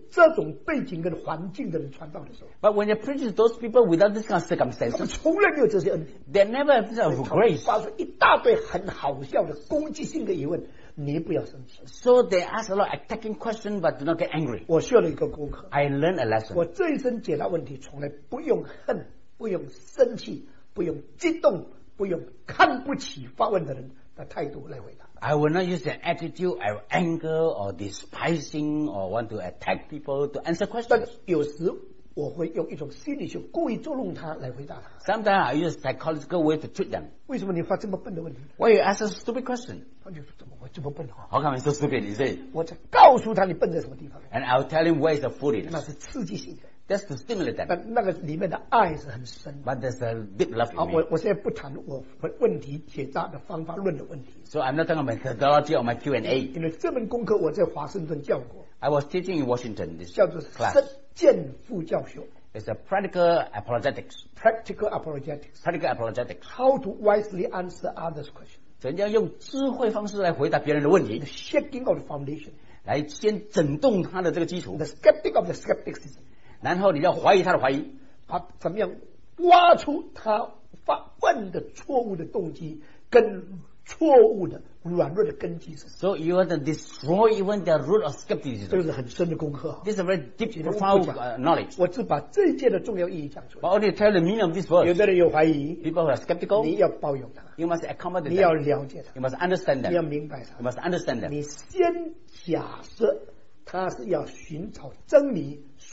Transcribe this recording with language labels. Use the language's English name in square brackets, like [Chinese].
[Chinese] 但我们许多时候对一些完全没有这种背景跟环境的人传道的时候。 [English] But when you preach to those people without this kind of circumstances, [Chinese] 他们从来没有这些恩典。 [English] They never have this kind of grace. [Chinese] 发出一大堆很好笑的攻击性的疑问。 [English] So they ask a lot of attacking questions but do not get angry. [Chinese] 我学了一个功课, [English] I learned a lesson. [Chinese] 我这一生解答问题从来不用恨,不用生气,不用激动,不用看不起发问的人的态度来回答。 [English] I will not use the attitude of anger or despising or want to attack people to answer questions. [Chinese] 但有时我会用一种心理学故意捉弄他来回答。 [English] Sometimes I use a psychological way to treat them. [Chinese] 为什么你发这么笨的问题? [English] Why you ask a stupid question? [Chinese] 他就说怎么会这么笨啊? [English] How come I'm so stupid? You say? [Chinese] 我在告诉他你笨在什么地方。 [English] And I'll tell him where is the foolishness. [Chinese] 那是刺激性的。 [English] That's to stimulate them. [Chinese] 但那个里面的爱是很深的。 [English] But there's a deep love in me. [Chinese] 我现在不谈我问题解答的方法论的问题。 [English] So I'm not talking about methodology or my Q&A. [Chinese] 因为这门功课我在华盛顿教过。 [English] I was teaching in Washington this [Chinese] 叫做 [English] class. [Chinese] 叫做实践副教学。 [English] It's a practical apologetics. Practical apologetics. Practical apologetics. How to wisely answer others' questions. [Chinese] 怎样用智慧方式来回答别人的问题。 [English] The shaking of the foundation. [Chinese] 来先整动他的这个基础。 [English] The skeptic of the skepticism. [Chinese] 然后你要怀疑他的怀疑。把怎么样挖出他发问的错误的动机, 跟错误的软弱的根基是。 [English] So you want to destroy even the root of skepticism. [Chinese] 这是很深的功课。 [English] This is a very deep, profound knowledge. [Chinese] 我只把这一届的重要意义讲出来。 [English] But only tell the meaning of this word. [Chinese] 有的人有怀疑。 [English] People who are skeptical. [Chinese] 你要包容他。 [English] You must accommodate them. [Chinese] 你要了解他。 [English] You must understand them. [Chinese] 你要明白他。 [English] You must understand them. [Chinese] 你先假设他是要寻找真理。